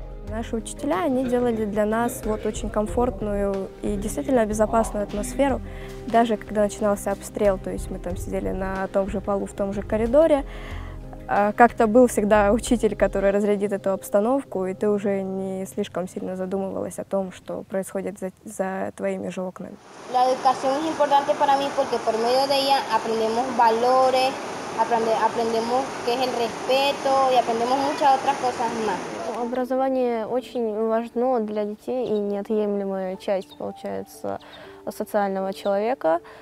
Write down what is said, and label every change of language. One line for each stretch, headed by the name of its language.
Russian: Наши учителя, они делали для нас вот очень комфортную и действительно безопасную атмосферу, даже когда начинался обстрел, то есть мы там сидели на том же полу, в том же коридоре. Как-то был всегда учитель, который разрядит эту обстановку, и ты уже не слишком сильно задумывалась о том, что происходит за твоими же окнами.
Spanish: La educación es importante para mí porque por medio de ella aprendemos valores, aprendemos qué es el respeto y aprendemos muchas otras cosas más.
Russian: Образование очень важно для детей и неотъемлемая часть, получается, социального человека.